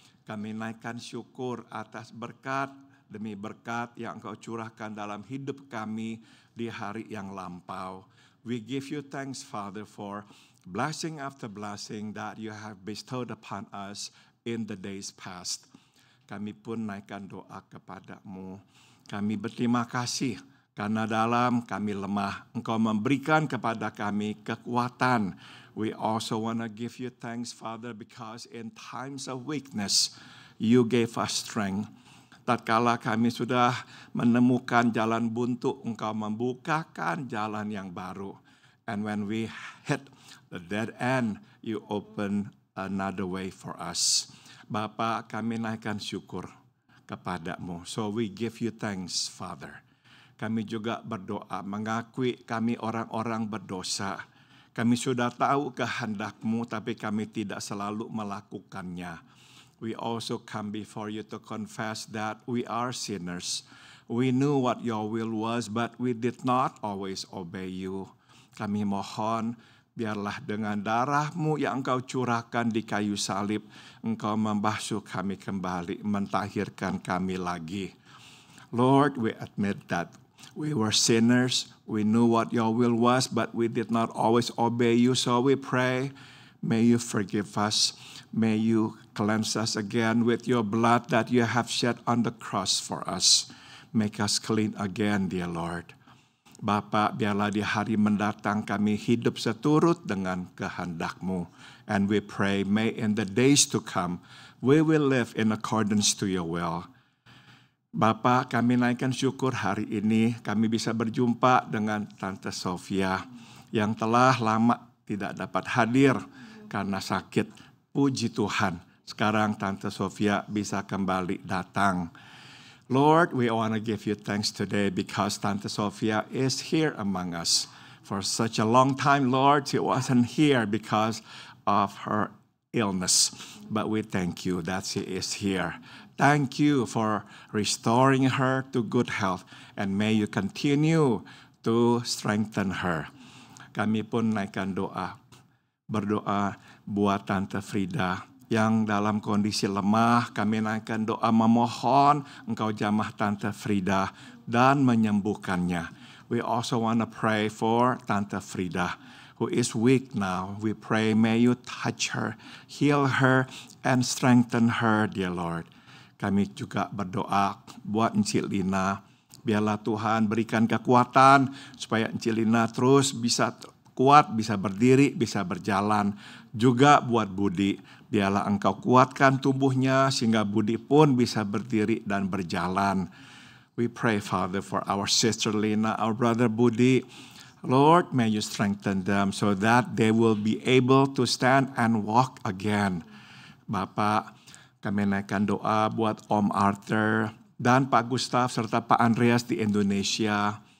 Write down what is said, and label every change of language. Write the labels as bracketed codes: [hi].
[id] Kami naikkan syukur atas berkat demi berkat yang Engkau curahkan dalam hidup kami di hari yang lampau. [en] We give you thanks, Father, for blessing after blessing that you have bestowed upon us in the days past. [id] Kami pun naikkan doa kepada-Mu. Kami berterima kasih karena dalam kami lemah, Engkau memberikan kepada kami kekuatan. [en] We also want to give you thanks, Father, because in times of weakness, you gave us strength. [id] Tatkala kami sudah menemukan jalan buntu, Engkau membukakan jalan yang baru. [en] And when we hit the dead end, you open another way for us. [id] Bapa, kami naikkan syukur kepada-Mu. [en] So we give you thanks, Father. [id] Kami juga berdoa, mengakui kami orang-orang berdosa. Kami sudah tahu kehendak-Mu, tapi kami tidak selalu melakukannya. [en] We also come before you to confess that we are sinners. We knew what your will was, but we did not always obey you. [id] Kami mohon, biarlah dengan darah-Mu yang Engkau curahkan di kayu salib, Engkau membasuh kami kembali, mentahirkan kami lagi. [en] Lord, we admit that we were sinners, we knew what your will was, but we did not always obey you. So we pray, may you forgive us, may you cleanse us again with your blood that you have shed on the cross for us. Make us clean again, dear Lord. [id] Bapa, biarlah di hari mendatang kami hidup seturut dengan kehendak-Mu. [en] And we pray, may in the days to come, we will live in accordance to your will. [id] Bapa, kami naikkan syukur hari ini kami bisa berjumpa dengan Tante Sofia yang telah lama tidak dapat hadir karena sakit. Puji Tuhan, sekarang Tante Sofia bisa kembali datang. [en] Lord, we want to give you thanks today because Tante Sofia is here among us. For such a long time, Lord, she wasn't here because of her illness. But we thank you that she is here. Thank you for restoring her to good health. And may you continue to strengthen her. [id] Kami pun naikkan doa. Berdoa buat Tante Frida yang dalam kondisi lemah. Kami naikkan doa memohon engkau jamah Tante Frida dan menyembuhkannya. [en] We also want to pray for Tante Frida who is weak now. We pray may you touch her, heal her, and strengthen her, dear Lord. [id] Kami juga berdoa buat Encik Lina. Biarlah Tuhan berikan kekuatan supaya Encik Lina terus bisa kuat, bisa berdiri, bisa berjalan. Juga buat Budi, biarlah engkau kuatkan tubuhnya sehingga Budi pun bisa berdiri dan berjalan. [en] We pray, Father, for our sister Lina, our brother Budi. Lord, may you strengthen them so that they will be able to stand and walk again. [id] Bapak, kami naikkan doa buat Om Arthur dan Pak Gustav serta Pak Andreas di Indonesia.